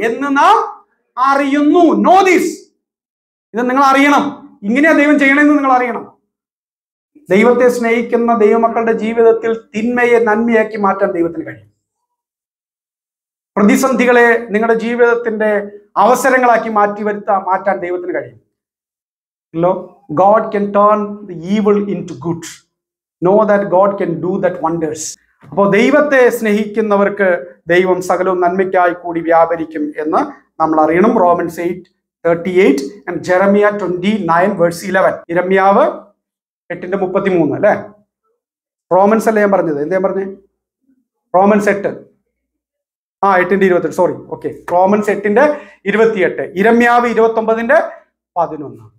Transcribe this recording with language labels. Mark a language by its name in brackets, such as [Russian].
[Malayalam] എന്ന് നാം അറിയുന്നു, [English] Know these. [Malayalam] ഇത് നിങ്ങൾ അറിയണം. ഇങ്ങനെയാ ദൈവം ചെയ്യണമെന്ന് നിങ്ങൾ അറിയണം. ദൈവത്തെ സ്നേഹിക്കുന്ന ദൈവമക്കളുടെ ജീവിതത്തിൽ തിന്മയെ നന്മയാക്കി മാറ്റാൻ ദൈവത്തിന് കഴിയും. പ്രതിസന്ധികളെ നിങ്ങളുടെ ജീവിതത്തിന്റെ അവസരങ്ങളാക്കി മാറ്റാൻ ദൈവത്തിന് കഴിയും. [English] Hello? God can turn the evil into good. Know that God can do that wonders. [Malayalam] അപ്പോൾ ദൈവത്തെ സ്നേഹിക്കുന്നവർക്ക് ദൈവം സകലവും നന്മയ്ക്കായി കൂടി വ്യാപരിക്കും എന്ന് നമ്മൾ അറിയണം. റോമൻസ് 8:38 ജെറമിയ 29:11. ഇരമ്യാവ് 8:33 അല്ലേ. റോമൻസ് അല്ലേ ഞാൻ പറഞ്ഞത്, എന്താ പറഞ്ഞേ, റോമൻസ് 8:28, സോറി, ഓക്കെ, റോമൻസ് 8:28, ഇരമ്യാവ് 29:11.